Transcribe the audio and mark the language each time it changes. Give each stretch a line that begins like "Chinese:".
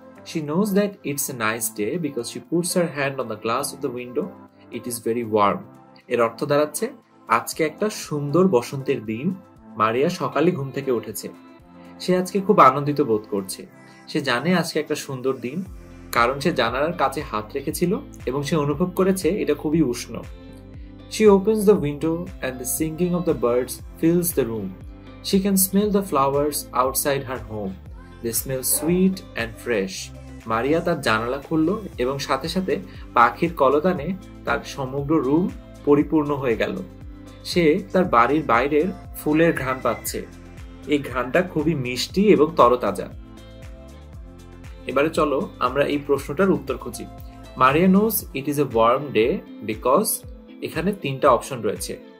English: She knows that it's a nice day because she puts her hand on the glass of the window. It is very warm.
Bangla: এর অর্থ দাঁড়াচ্ছে আজকে একটা সুন্দর বসন্তের দিন। মারিয়া সকালে ঘুম থেকে উঠেছে। সে আজকে খুব আনন্দিত বোধ করছে। সে জানে আজকে একটা সুন্দর দিন, কারণ সে জানালার কাছে হাত রেখেছিল এবং সে অনুভব করেছে এটা খুবই উষ্ণ।
English: She opens the window and the singing of the birds fills the room. She can smell the flowers outside her home. They smell sweet and fresh.
Bangla: মারিয়া তার জানালা খুলল এবং সাথে সাথে পাখির কলতানে তার সমগ্র রুম পরিপূর্ণ হয়ে গেল। সে তার বাড়ির বাইরের ফুলের ঘ্রাণ পাচ্ছে। এই ঘ্রাণটা খুবই মিষ্টি এবং তরতাজা। এবারে চলো আমরা এই প্রশ্নটার উত্তর খুঁজি।
English: Maria knows it is a warm day because
Bangla: এখানে তিনটা অপশন রয়েছে।